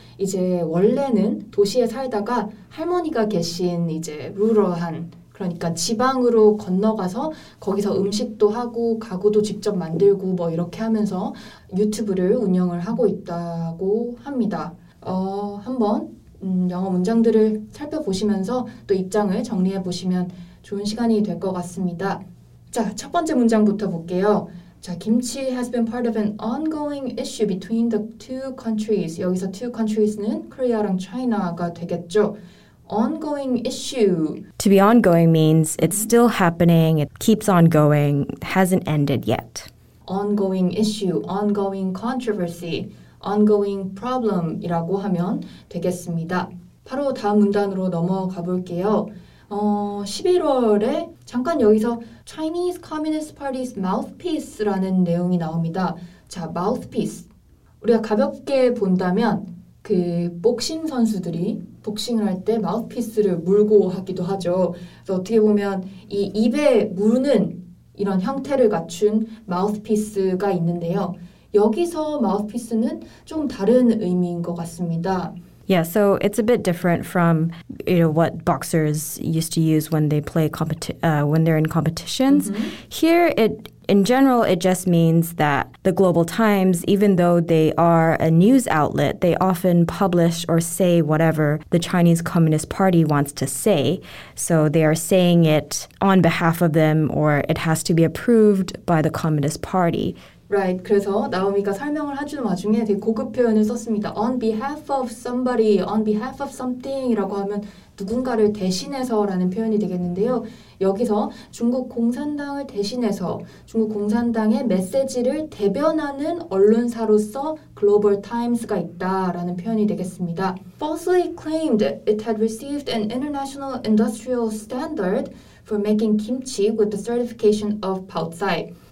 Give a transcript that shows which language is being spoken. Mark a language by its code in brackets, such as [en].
[ko] 이제 원래는 도시에 살다가 할머니가 계신 이제 루럴한 그러니까 지방으로 건너가서 거기서 음식도 하고 가구도 직접 만들고 뭐 이렇게 하면서 유튜브를 운영을 하고 있다고 합니다. 한번. 영어 문장들을 살펴보시면서 또 입장을 정리해보시면 좋은 시간이 될 것 같습니다. 자, 첫 번째 문장부터 볼게요. [en] 자, 김치 has been part of an ongoing issue between the two countries. [ko] 여기서 two countries는 Korea랑 China가 되겠죠. [en] Ongoing issue. To be ongoing means it's still happening, it keeps on going, hasn't ended yet. Ongoing issue, ongoing controversy. Ongoing problem [ko] 이라고 하면 되겠습니다. 바로 다음 문단으로 넘어가 볼게요. 11월에 잠깐 여기서 [en] Chinese Communist Party's mouthpiece [ko] 라는 내용이 나옵니다. [en] 자, mouthpiece. [ko] 우리가 가볍게 본다면 그 복싱 선수들이 복싱을 할 때 마우스피스를 물고 하기도 하죠. 그래서 어떻게 보면 이 입에 무는 이런 형태를 갖춘 마우스피스가 있는데요. 여기서 마우스피스는 좀 다른 의미인 것 같습니다. [en] Yeah, so it's a bit different from you know what boxers used to use when they play when they're in competitions. Mm-hmm. Here, in general, it just means that the Global Times, even though they are a news outlet, they often publish or say whatever the Chinese Communist Party wants to say. So they are saying it on behalf of them, or it has to be approved by the Communist Party. Right. [ko] 그래서 나오미가 설명을 해주는 와중에 되게 고급 표현을 썼습니다. [en] On behalf of somebody, on behalf of something이라고 하면 [ko] 누군가를 대신해서라는 표현이 되겠는데요. 여기서 중국 공산당을 대신해서 중국 공산당의 메시지를 대변하는 언론사로서 Global Times가 있다라는 표현이 되겠습니다. [en] Falsely claimed it had received an international industrial standard for making kimchi with the certification of Baozai.